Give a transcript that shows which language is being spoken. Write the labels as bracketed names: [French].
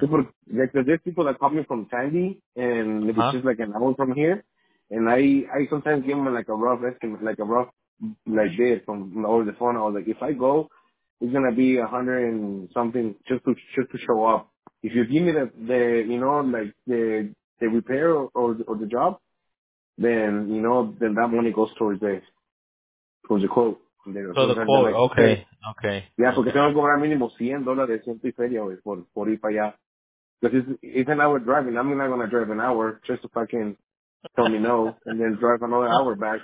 [English] Super, like, there's people that call me from Sandy, and maybe just like an hour from here, and I sometimes give them like a rough estimate, like a rough, like this, from over the phone. I was like, if I go, it's going to be 100 and something just to show up. If you give me the you know, like the repair or the job, then, you know, then that money goes towards the quote. Okay. [Spanish] Yeah, porque tengo que cobrar mínimo $100 ciento y feria, güey, por ir para allá. [English] Because it's an hour driving. I'm not going to drive an hour just to fucking tell me no and then drive another hour back.